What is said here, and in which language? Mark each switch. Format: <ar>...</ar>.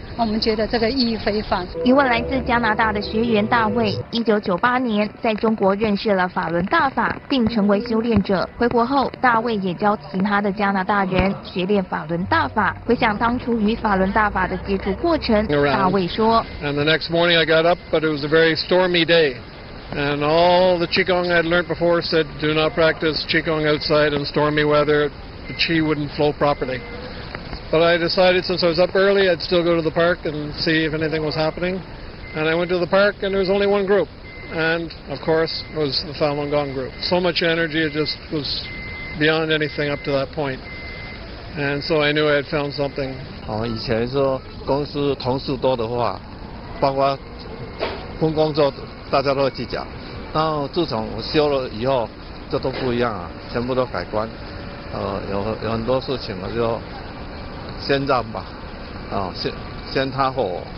<zh>我们觉得这个意义非凡。一位来自加拿大的学员大卫，1998年在中国认识了法轮大法，并成为修炼者。回国后，大卫也教其他的加拿大人学练法轮大法。回想当初与法轮大法的接触过程，大卫说</zh> <en>：“And the next morning I got up, but it was a very stormy day, and all the qigong I'd learned before said do not practice qigong outside in stormy weather, the qi wouldn't flow properly.” But I decided since I was up early, I'd still go to the park and see if anything was happening. And I went to the park and there was only one group. And of course, it was the Falun Gong group. So much energy, it just was beyond anything up to that point. And so I knew I had found something.</en> <zh>以前说公司同事多的话，包括分工作，大家都计较。然后自从我修了以后，这都不一样啊，全部都改观。有很多事情我就先让吧，先他和我。</zh>